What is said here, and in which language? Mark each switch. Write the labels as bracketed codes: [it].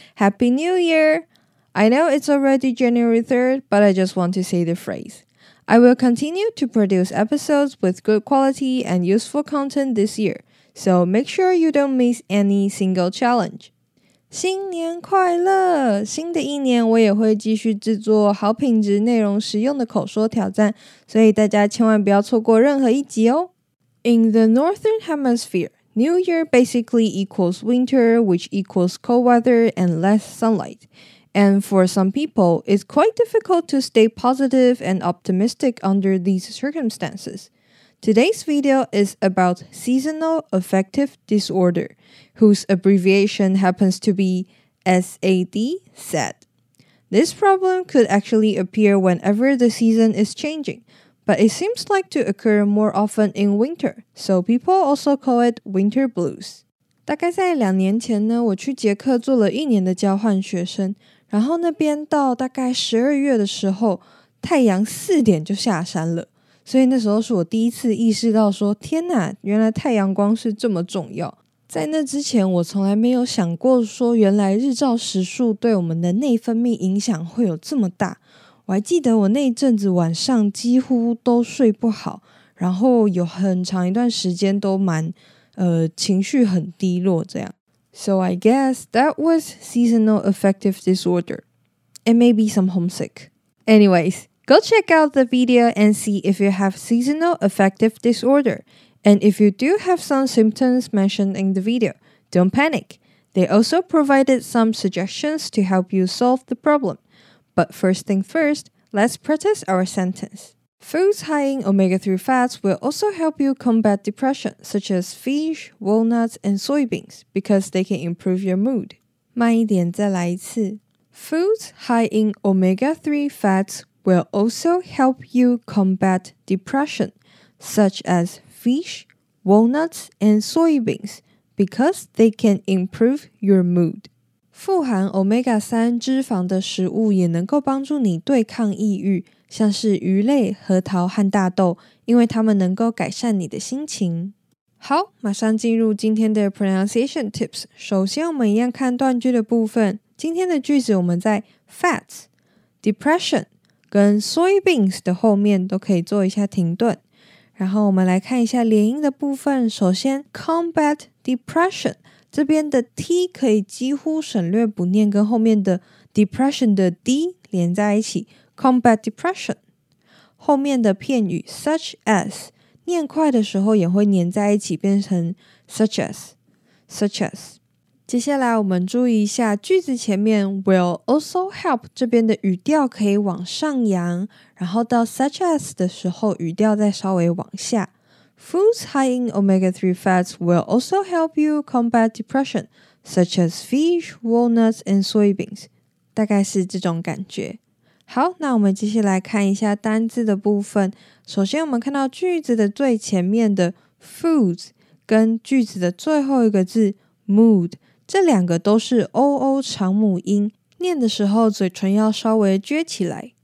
[en] Happy New Year! I know it's already January 3rd, but I just want to say the phrase. I will continue to produce episodes with good quality and useful content this year, so make sure you don't miss any single challenge. [zh] 新年快乐！新的一年我也会继续制作好品质、内容实用的口说挑战，所以大家千万不要错过任何一集哦。 [en] In the Northern Hemisphere, New Year basically equals winter, which equals cold weather and less sunlight. And for some people, it's quite difficult to stay positive and optimistic under these circumstances. Today's video is about seasonal affective disorder, whose abbreviation happens to be SAD, SAD. This problem could actually appear whenever the season is changing, but it seems like to occur more often in winter, so people also call it winter blues. [zh] 大概在两年前呢，我去捷克做了一年的交换学生，然后那边到大概十二月的时候，太阳四点就下山了。所以那时候是我第一次意识到说，天哪，原来太阳光是这么重要。在那之前，我从来没有想过说，原来日照时数对我们的内分泌影响会有这么大。我还记得我那一阵子晚上几乎都睡不好，然后有很长一段时间都蛮，情绪很低落这样。 [en] So I guess that was seasonal affective disorder. And maybe some homesick. Anyways. Go check out the video and see if you have seasonal affective disorder. And if you do have some symptoms mentioned in the video, don't panic. They also provided some suggestions to help you solve the problem. But first thing first, let's practice our sentence. Foods high in omega-3 fats will also help you combat depression, such as fish, walnuts, and soybeans, because they can improve your mood. [zh] 慢一点再来一次。 [en] Foods high in omega-3 fatswill also help you combat depression, such as fish, walnuts, and soybeans, because they can improve your mood. [zh] 富含 omega-3 脂肪的食物也能够帮助你对抗抑郁，像是鱼类、核桃和大豆，因为它们能够改善你的心情。好，马上进入今天的 pronunciation tips。首先，我们一样看断句的部分。今天的句子我们在 fats, depression,跟 soybeans 的后面都可以做一下停顿，然后我们来看一下连音的部分。首先 combat depression 这边的 t 可以几乎省略不念，跟后面的 depression 的 d 连在一起 combat depression。后面的片语 such as 念快的时候也会连在一起变成 such as such as。接下来我们注意一下句子前面 will also help 这边的语调可以往上扬，然后到 such as 的时候语调再稍微往下。 [en] Foods high in omega-3 fats will also help you combat depression, such as fish, walnuts, and soybeans. [zh] 大概是这种感觉。好，那我们接下来看一下单字的部分。首先我们看到句子的最前面的 foods 跟句子的最后一个字mood, 这两个都是 OO 长母音，念的时候嘴唇要稍微撅起来。